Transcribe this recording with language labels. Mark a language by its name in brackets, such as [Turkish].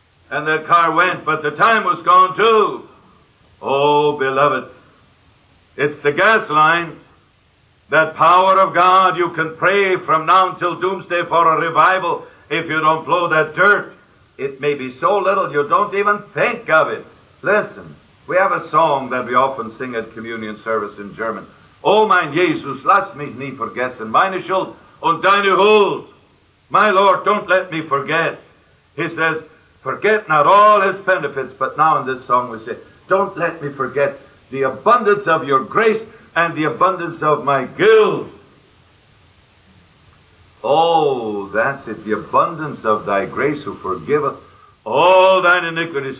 [English] And the car went, but the time was gone too. Oh, beloved, it's the gas line, that power of God. You can pray from now until doomsday for a revival if you don't blow that dirt. It may be so little you don't even think of it. Listen, we have a song that we often sing at communion service in German. [German] Oh, mein Jesus, lass mich nie vergessen, meine Schuld und deine Huld. [English] My Lord, don't let me forget. He says, forget not all his benefits, but now in this song we say, don't let me forget the abundance of your grace and the abundance of my guilt. Oh, that's it, the abundance of thy grace who forgiveth all thine iniquities.